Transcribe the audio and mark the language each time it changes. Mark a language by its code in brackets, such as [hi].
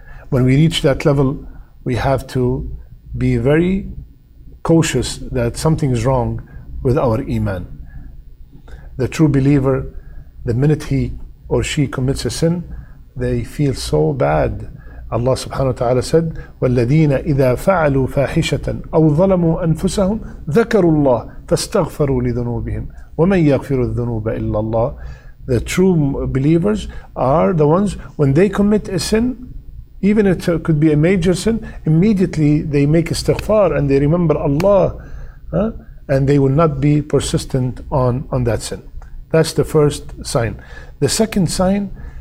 [en] When we reach that level, we have to be very cautious that something is wrong with our iman. The true believer, the minute he or she commits a sin, they feel so bad. Allah subhanahu wa ta'ala said, [ar] وَالَّذِينَ إِذَا فَعَلُوا فَاحِشَةً أَوْ ظَلَمُوا أَنفُسَهُمْ ذَكَرُوا اللَّهِ فَاسْتَغْفَرُوا لِذُنُوبِهِمْ وَمَنْ يَغْفِرُ الذُّنُوبَ إِلَّا اللَّهِ. [en] The true believers are the ones, when they commit a sin, even if it could be a major sin, immediately they make istighfar and they remember Allah, and they will not be persistent on that sin. That's the first sign. The second sign,